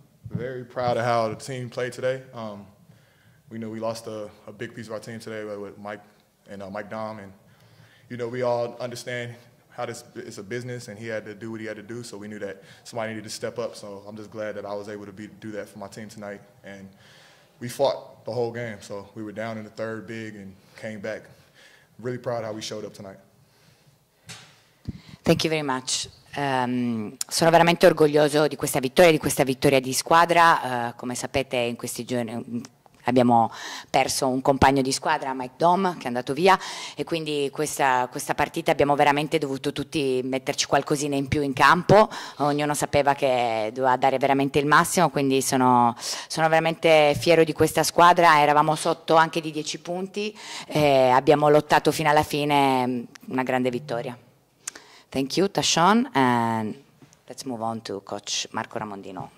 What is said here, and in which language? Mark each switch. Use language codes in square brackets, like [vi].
[en] Very proud of how the team played today. We know we lost a big piece of our team today with Mike and Mike Dom, and you know we all understand how this is a business, and he had to do what he had to do. So we knew that somebody needed to step up. So I'm just glad that I was able to do that for my team tonight, and we fought the whole game. So we were down in the third big and came back. Really proud how we showed up tonight. Thank you very much. [it] Sono veramente orgoglioso di questa vittoria, di questa vittoria di squadra. Come sapete, in questi giorni abbiamo perso un compagno di squadra, Mike Dom, che è andato via, e quindi questa partita abbiamo veramente dovuto tutti metterci qualcosina in più in campo. Ognuno sapeva che doveva dare veramente il massimo, quindi sono veramente fiero di questa squadra. Eravamo sotto anche di 10 punti e abbiamo lottato fino alla fine. Una grande vittoria. [en] Thank you, Tashaun, and let's move on to Coach Marco Ramondino.